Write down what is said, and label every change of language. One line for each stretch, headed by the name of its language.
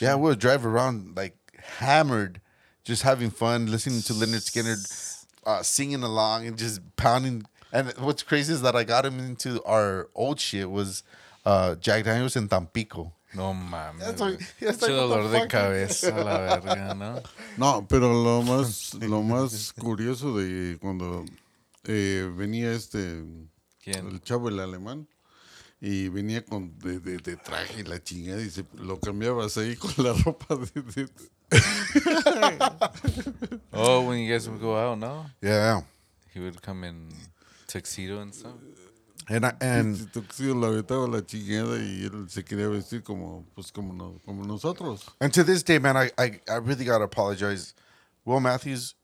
English: yeah, we would drive around like hammered, just having fun, listening to Lynyrd Skynyrd, singing along, and just pounding. And what's crazy is that I got him into our old shit was Jack Daniels and Tampico.
Spanish: No mames. Es dolor de cabeza, la verga, ¿no? No, pero lo más curioso de cuando venía ¿quién? El chavo, el alemán, y venía con de traje la chingada y se lo cambiabas ahí con la ropa de...
English: Oh, when you guys would go out, ¿no? Yeah. He would come in tuxedo and stuff. And to this day, man, I really gotta apologize. Will Matthews,